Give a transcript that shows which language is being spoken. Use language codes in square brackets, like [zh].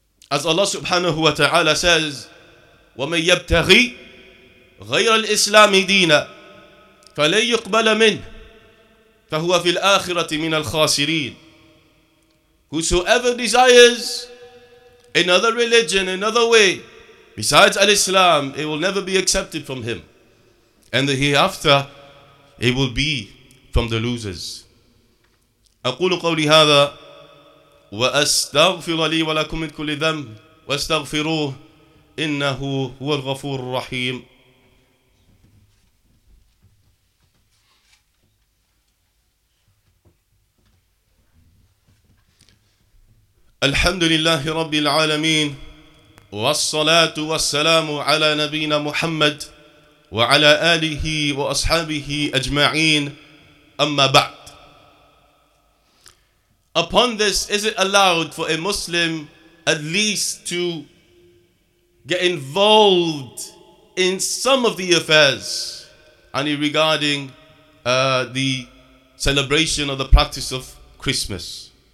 [en] As Allah subhanahu wa ta'ala says, [ar] وَمَنْ يَبْتَغِي غَيْرَ الْإِسْلَامِ دِينَ فَلَنْ يُقْبَلَ مِنْهُ فَهُوَ فِي الْآخِرَةِ مِنَ الْخَاسِرِينَ. [en] Whosoever desires another religion, another way besides al-Islam, it will never be accepted from him. And the hereafter, it will be from the losers. [ar] أقول قولي هذا وأستغفر لي ولكم من كل ذنب واستغفروه إنه هو الغفور الرحيم. الحمد لله رب العالمين والصلاة والسلام على نبينا محمد وعلى آله وأصحابه أجمعين أما بعد. [en] Upon this, is it allowed for a Muslim at least to get involved in some of the affairs regarding the celebration of the practice of Christmas?